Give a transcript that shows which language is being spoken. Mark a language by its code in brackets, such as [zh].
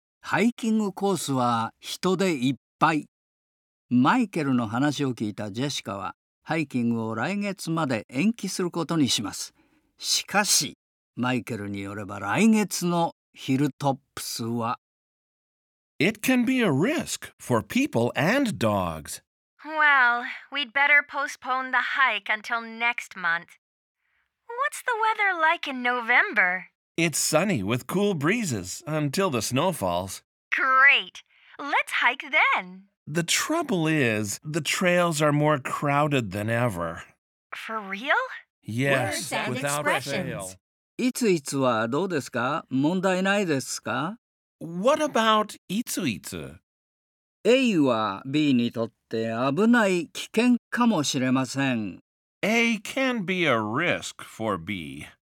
[ja] ハイキングコースは人でいっぱい。マイケルの話を聞いたジェシカは、ハイキングを来月まで延期することにします。しかし、マイケルによれば来月のヒルトップスは。 [en] It can be a risk for people and dogs. Well, we'd better postpone the hike until next month. What's the weather like in November? It's sunny with cool breezes until the snow falls. Great! Let's hike then! The trouble is, the trails are more crowded than ever. For real? Yes, without fail. [ja] いついつはどうですか? 問題ないですか? [en] What about [ja] いついつ? A は B にとって危ない危険かもしれません。 [en] A can be a risk for B.